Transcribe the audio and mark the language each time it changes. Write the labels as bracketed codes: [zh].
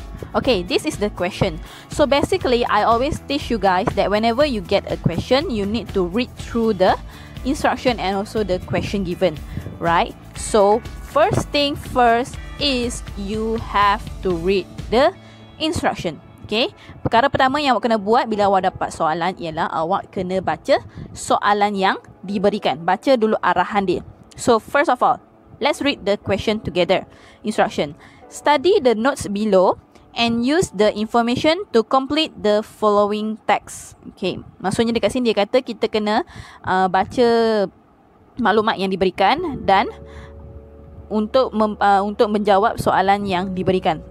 [en] Okay, this is the question. So basically, I always teach you guys that whenever you get a question, you need to read through the instruction and also the question given, right? So first thing first is you have to read the instruction. [ms] Okay, perkara pertama yang awak kena buat bila awak dapat soalan ialah awak kena baca soalan yang diberikan. Baca dulu arahan dia. [en] So first of all, let's read the question together. Instruction: study the notes below and use the information to complete the following text. [ms] Okay, maksudnya dekat sini dia kata kita kena baca maklumat yang diberikan dan untuk menjawab soalan yang diberikan.